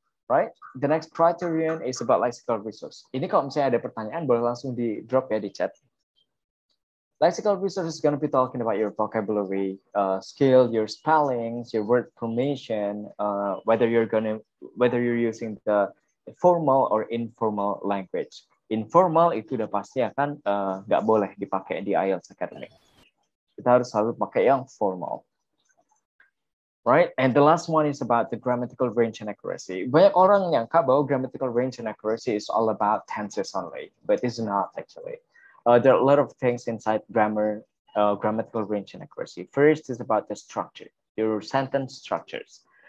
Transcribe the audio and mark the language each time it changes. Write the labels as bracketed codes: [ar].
[en] Right, the next criterion is about lexical resource. [id] Ini kalau misalnya ada pertanyaan, boleh langsung di drop ya di chat. [en] Lexical resource is going to be talking about your vocabulary, skill, your spellings, your word formation, whether you're using the formal or informal language. [id] Informal itu udah pasti akan nggak boleh dipakai di IELTS Academic. Kita harus selalu pakai yang formal. [en] Right, and the last one is about the grammatical range and accuracy. [id] Banyak orang nyangka bahwa [en] grammatical range and accuracy is all about tenses only, but it's not actually. There are a lot of things inside grammar, grammatical range and accuracy. First is about the structure, your sentence structures.